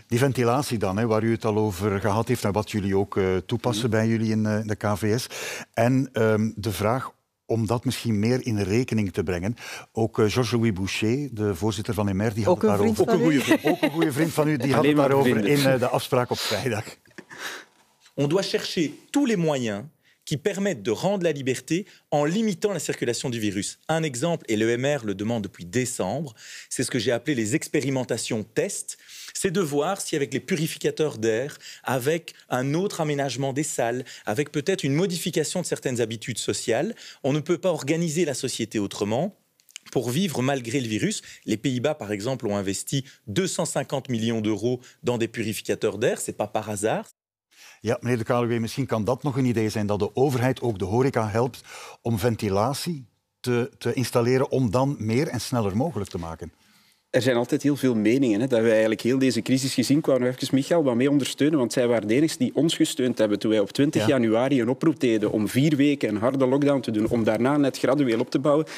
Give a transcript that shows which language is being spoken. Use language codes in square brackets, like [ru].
[nl] Die ventilatie dan, hè, waar u het al over gehad heeft, en wat jullie ook toepassen bij jullie in de KVS. En de vraag om dat misschien meer in rekening te brengen. Ook Georges-Louis Boucher, de voorzitter van EMER, die had ook het daarover. Ook een goede vriend van u. Ook een goede vriend van u, die had het daarover in de afspraak op vrijdag. [fr] On doit chercher tous les moyens qui permettent de rendre la liberté en limitant la circulation du virus. Un exemple, et l'EMR le demande depuis décembre, c'est ce que j'ai appelé les expérimentations tests, c'est de voir si avec les purificateurs d'air, avec un autre aménagement des salles, avec peut-être une modification de certaines habitudes sociales, on ne peut pas organiser la société autrement pour vivre malgré le virus. Les Pays-Bas, par exemple, ont investi 250 millions d'euros dans des purificateurs d'air, c'est pas par hasard. [nl] Ja, meneer De Kalewij, misschien kan dat nog een idee zijn dat de overheid ook de horeca helpt om ventilatie te installeren om dan meer en sneller mogelijk te maken. Er zijn altijd heel veel meningen. Hè, dat wij eigenlijk heel deze crisis gezien, kwamen we even Michael wat mee ondersteunen, want zij waren de enigste die ons gesteund hebben toen wij op 20 januari een oproep deden om 4 weken een harde lockdown te doen, om daarna net gradueel op te bouwen.